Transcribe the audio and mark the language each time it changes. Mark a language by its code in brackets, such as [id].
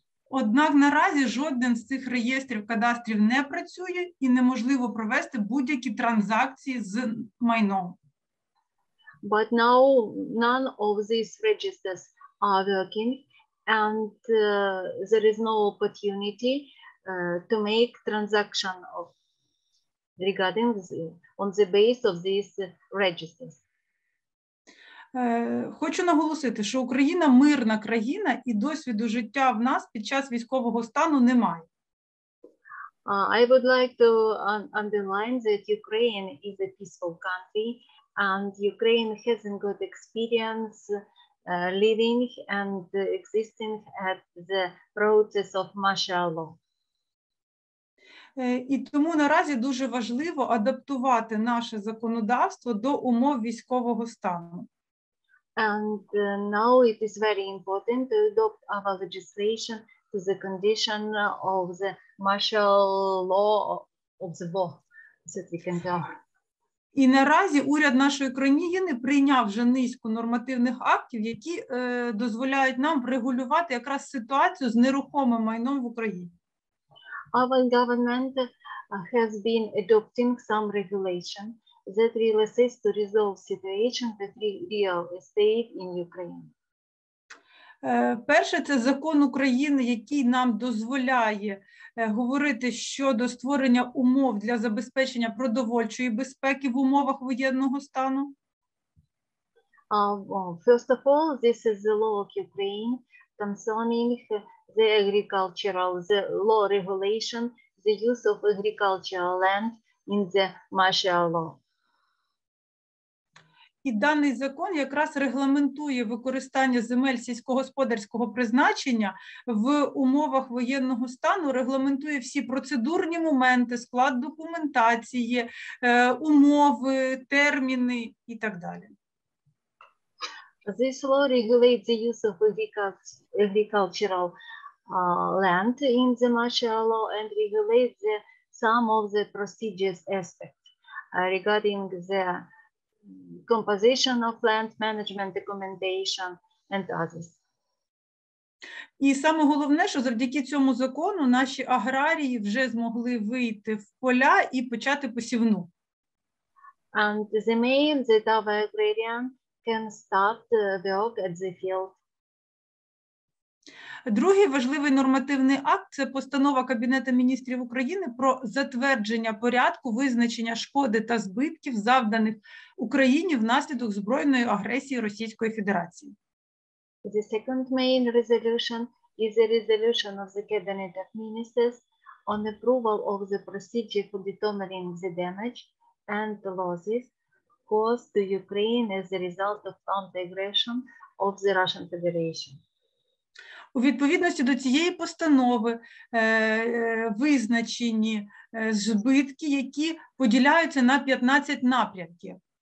[uk] Однак наразі жоден з цих реєстрів кадастрів не працює і неможливо провести будь-які транзакції з майном. [en] But now none of these registers are working and there is no opportunity to make transaction of regarding the, on the base of these registers. [uk] Хочу наголосити, що Україна мирна країна і досвіду життя в нас під час військового стану немає. [en] I would like to underline that Ukraine is a peaceful country and Ukraine hasn't got experience living and existing at the process of martial law. [uk] І тому наразі дуже важливо адаптувати наше законодавство до умов військового стану. [en] And now it is very important to adopt our legislation to the condition of the martial law of the war that we can do. [uk] І наразі уряд нашої країни прийняв вже низку нормативних актів, які дозволяють нам врегулювати якраз ситуацію з нерухомим майном в Україні. [en] Our government has been adopting some regulation that will assist to resolve situation with real estate in Ukraine. [uk] Перше, це закон України, який нам дозволяє говорити щодо створення умов для забезпечення продовольчої безпеки в умовах воєнного стану. [en] First of all, this is the law of Ukraine concerning the agricultural, the law regulation, the use of agricultural land in the martial law. [uk] І даний закон якраз регламентує використання земель сільськогосподарського призначення в умовах воєнного стану, регламентує всі процедурні моменти, склад документації, умови, терміни і так далі. [en] This law regulates the use of agricultural land in the martial law and regulates some of the procedures aspects regarding the composition of land management documentation and others. [uk] І саме головне, що завдяки цьому закону наші аграрії вже змогли вийти в поля і почати посівну. [en] And the main that our agrarian can start the work at the field. [uk] Другий важливий нормативний акт – це постанова Кабінету міністрів України про затвердження порядку визначення шкоди та збитків, завданих Україні внаслідок збройної агресії Російської Федерації. [en] The second main resolution is the resolution of the Cabinet of Ministers on approval of the procedure for determining the damage and the losses caused to Ukraine as a result of armed aggression of the Russian Federation. [uk] У відповідності до цієї постанови визначені збитки, які поділяються на 15 напрямків.